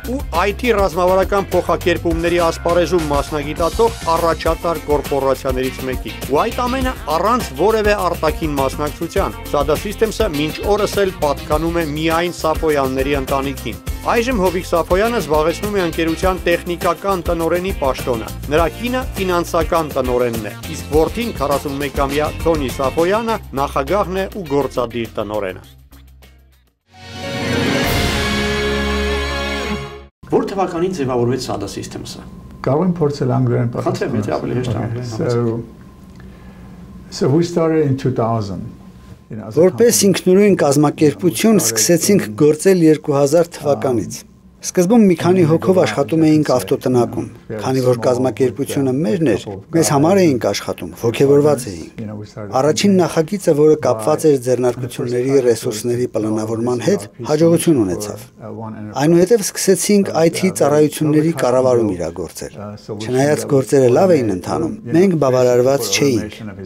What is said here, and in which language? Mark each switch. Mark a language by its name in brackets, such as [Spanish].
[Armenian] ու IT ռազմավարական փոխակերպումների ասպարեզում մասնագիտացող առաջատար կորպորացիաներից մեկի։ Ու այդ ամենը առանց որևէ արտաքին մասնակցության։ SADA Systems-ը մինչ օրս էլ պատկանում է միայն Սաֆոյանների ընտանիքին։ Այժմ Հովիկ Սաֆոյանը զբաղեցնում է ընկերության տեխնիկական տնօրենի պաշտոնը։ Նրա կինը ֆինանսական տնօրենն է, իսկ որդին 41-ամյա Թոնի Սաֆոյանը նախագահն է ու գործադիր տնօրենը։ Որ թվականին ձևավորվեց SADA Systems-ը։ Կարող եմ փորձել անգլերեն պատասխանել։ Խնդրեմ, եթե ավելի հեշտ անգլերեն։ [English] So we started in 2000. [Armenian] Որպես ինքնուրույն կազմակերպություն սկսեցինք գործել 2000 թվականից։ Սկզբում մի քանի հոգով աշխատում էինք ավտոտնակում, քանի որ կազմակերպությունը մերն էր, մեզ համար էինք աշխատում, ոգևորված էինք։ Առաջին նախագիծը, որը կապված էր ձեռնարկությունների ռեսուրսների պլանավորման հետ, հաջողություն ունեցավ։ Այնուհետև սկսեցինք IT ծառայությունների կառավարում իրագործել։ Չնայած գործերը լավ էին ընթանում, մենք բավարարված չէինք,